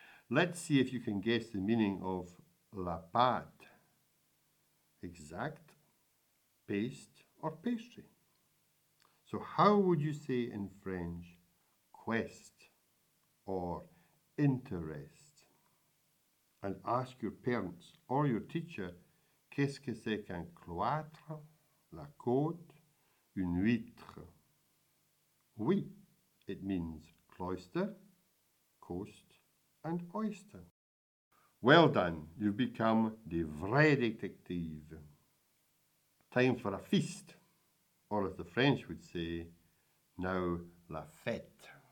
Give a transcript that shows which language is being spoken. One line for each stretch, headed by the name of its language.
English: Let's see if you can guess the meaning of la pâte. Exact, paste or pastry. So how would you say in French quest or interest and ask your parents or your teacher
French: qu'est-ce que c'est qu'un cloître, la côte, une huître.
English: Oui, it means cloister, coast and oyster. Well done, you've become the vrai détective. Time for a feast, or as the French would say, now la fête.